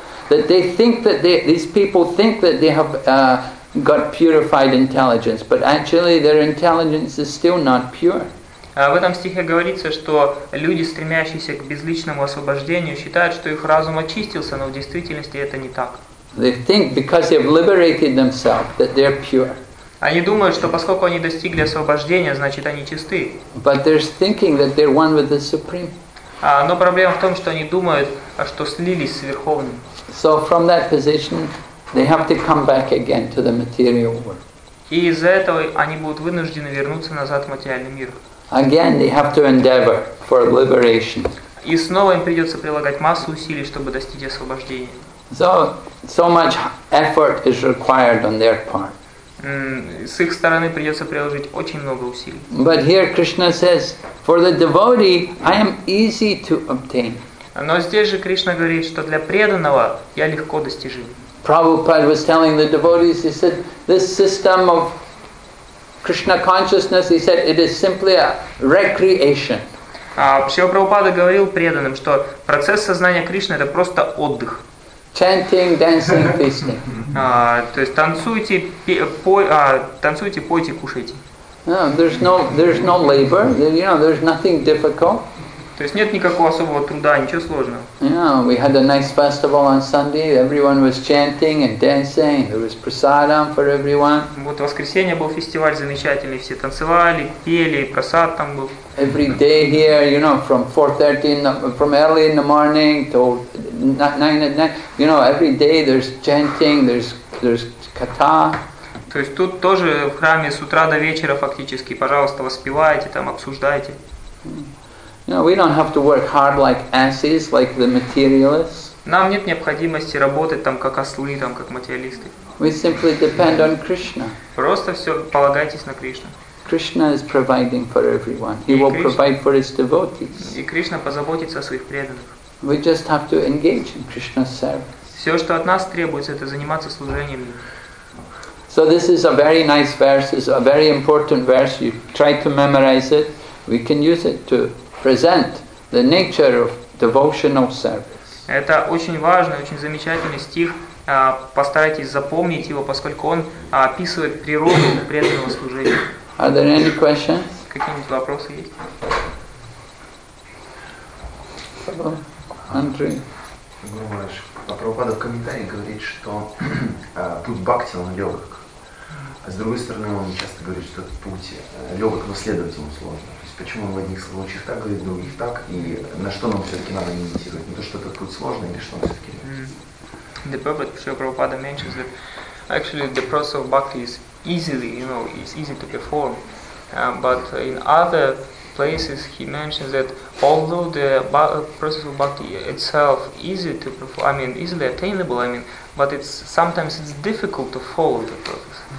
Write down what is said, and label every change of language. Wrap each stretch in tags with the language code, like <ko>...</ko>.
<en>That they think that these people think that they have got purified intelligence, but actually their intelligence is still not pure.</en> <ru>В этом стихе говорится, что люди, стремящиеся к безличному освобождению, считают, что их разум очистился, но в действительности это не так.</ru> <en>They think because they've liberated themselves that they're pure.</en> <ru>Они думают, что поскольку они достигли освобождения, значит они чисты.</ru> <en>But they're thinking that they're one with the Supreme.</en> <ru>Но проблема в том, что они думают, что слились с Верховным.</ru> <en>So from that position, they have to come back again to the material world.</en> <ru>И из-за этого они будут вынуждены вернуться назад в материальный мир.</ru> <en>Again, they have to endeavor for liberation.</en> <ru>И снова им придется прилагать массу усилий, чтобы достичь освобождения.</ru> <en>So much effort is required on their part.</en> <ru>С их стороны придется приложить очень много усилий.</ru> <en>But here Krishna says, for the devotee, I am easy to obtain.</en> <ru>Но здесь же Кришна говорит, что для преданного я легко достижим.</ru> <en>Prabhupada was telling the devotees, he said, this system of Krishna consciousness, he said, it is simply a recreation.</en> <ru>Шрила Прабхупада говорил преданным, что процесс сознания Кришны — это просто отдых.</ru> <en>Chanting, dancing, feasting.</en> <ru>То есть танцуйте, танцуйте, пойте, кушайте.</ru> <en>There's no labor. You know, there's nothing difficult.</en> <ru>То есть нет никакого особого труда, ничего сложного.</ru> <en>Yeah, we had a nice festival on Sunday. Everyone was chanting and dancing. There was prasadam for everyone.</en> <ru>Вот в воскресенье был фестиваль замечательный. Все танцевали, пели, просад там был.</ru> <en>Every day here, you know, from 4:30 from early in the morning till 9 at night, you know, every day there's chanting, there's katha.</en> <ru>То есть тут тоже в храме с утра до вечера фактически, пожалуйста, воспевайте, там обсуждайте.</ru> <en>You know, we don't have to work hard like asses, like the materialists.</en> <ru>Нам нет необходимости работать там как ослы, там как материалисты.</ru> <en>We simply depend on Krishna.</en> <ru>Просто все полагайтесь на Кришну.</ru> <en>Krishna is providing for everyone. He will provide for his devotees.</en> <ru>И Кришна позаботится о своих преданных.</ru> <en>We just have to engage in Krishna's service.</en> <ru>Все, что от нас требуется, это заниматься служением.</ru> <en>So this is a very nice verse. It's a very important verse. You try to memorize it. We can use it to present the nature of devotional service.</en> <ru>Это очень важный, очень замечательный стих. Постарайтесь запомнить его, поскольку он описывает природу преданного служения.</ru> <en>Are there any questions?</en> <ru>Какие-нибудь вопросы есть? Андрей. Прабхупада в комментарии говорит, что путь бхакти он легок. А с другой стороны, он часто говорит, что этот путь легок, но следовать ему сложно. То есть почему он в одних случаях так говорит, в других так, и на что нам все-таки надо медитировать? Не то, что этот путь сложный, или что он все-таки легкий.</ru> <en>The purpose of Prabhupada mentions that actually the process of bhakti is easily, you know, it's easy to perform. But in other places he mentions that although the process of bhakti itself easy to perform, I mean easily attainable, I mean, but it's sometimes it's difficult to follow the process.</en>